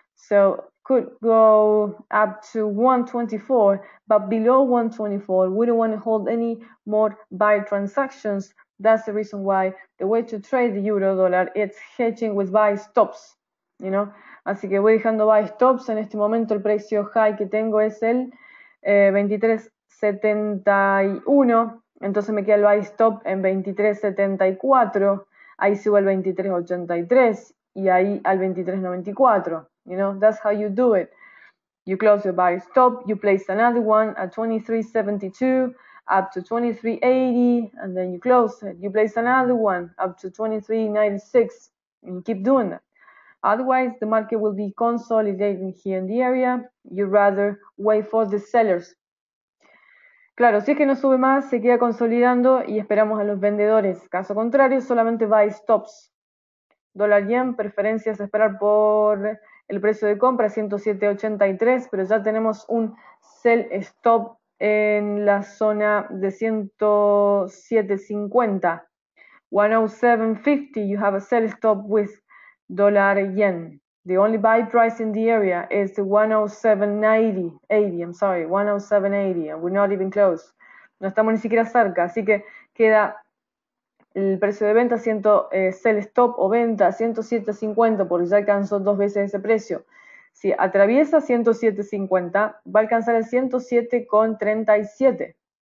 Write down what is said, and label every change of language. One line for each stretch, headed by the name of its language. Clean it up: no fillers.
English: So, could go up to 1,24, but below 1,24, we don't want to hold any more buy transactions. That's the reason why the way to trade the euro dollar is hedging with buy stops. You know?
Spanish: Así que voy dejando buy stops. En este momento el precio high que tengo es el 23.71. Entonces me queda el buy stop en 23.74. Ahí sigo el 23.83 y ahí al 23.94.
English: You know? That's how you do it. You close your buy stop, you place another one at 23.72. Up to 23.80, and then you close it. You place another one up to 23.96, and you keep doing that. Otherwise, the market will be consolidating here in the area. You'd rather wait for the sellers.
Spanish: Claro, si es que no sube más, se queda consolidando y esperamos a los vendedores. Caso contrario, solamente buy stops. Dólar yen, preferencias a esperar por el precio de compra, 107.83, pero ya tenemos un sell stop en la zona de 107.50.
English: 107.50, you have a sell stop with dollar yen. The only buy price in the area is the 107.80. I'm sorry, 107.80. We're not even close.
Spanish: No estamos ni siquiera cerca. Así que queda el precio de venta, sell stop o venta, 107.50, porque ya alcanzó dos veces ese precio. Si atraviesa 107.50, va a alcanzar el 107.37.